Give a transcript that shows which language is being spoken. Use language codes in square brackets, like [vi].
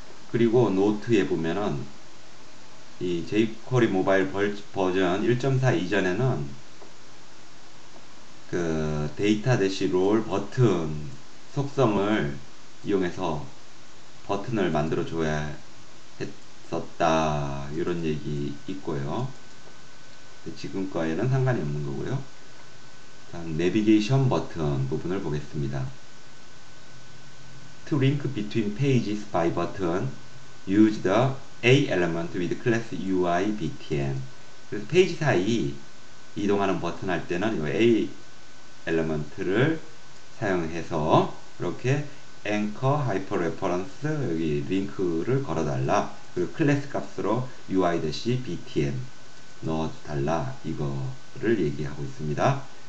[ko] 그리고 노트에 보면은 이 jQuery 모바일 버전 1.4 이전에는 그 데이터 대시 롤 버튼 속성을 이용해서 버튼을 만들어 줘야 했었다 이런 얘기 있고요. 지금 거에는 상관이 없는 거고요. 내비게이션 버튼 부분을 보겠습니다. [en] To link between pages by button, use the A element with class UI BTN. [ko] 그래서 페이지 사이 이동하는 버튼 할 때는 이 A 엘리먼트를 사용해서 이렇게 anchor hyperreference 여기 링크를 걸어달라. 그리고 클래스 값으로 UI-BTN 넣어달라 이거를 얘기하고 있습니다.